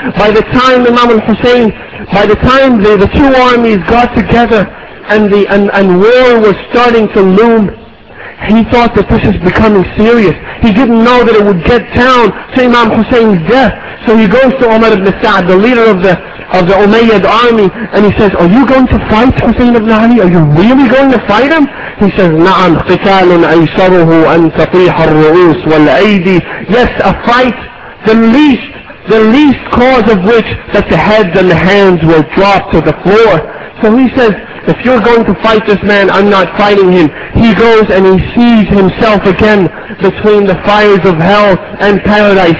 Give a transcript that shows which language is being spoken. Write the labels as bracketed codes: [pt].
[en] By the time Imam al-Hussein, by the time the two armies got together and war was starting to loom, he thought that this is becoming serious. He didn't know that it would get down to Imam Hussein's death. So he goes to Umar ibn Sa'd, the leader of the Umayyad army, and he says, are you going to fight Hussein ibn Ali? Are you really going to fight him? He says, [ar] نعم قتال أيسره أن تطيح الرؤوس والأيدي. [en] Yes, a fight, the least cause of which that the heads and the hands will drop to the floor. So he says, if you're going to fight this man, I'm not fighting him. He goes and he sees himself again between the fires of hell and paradise.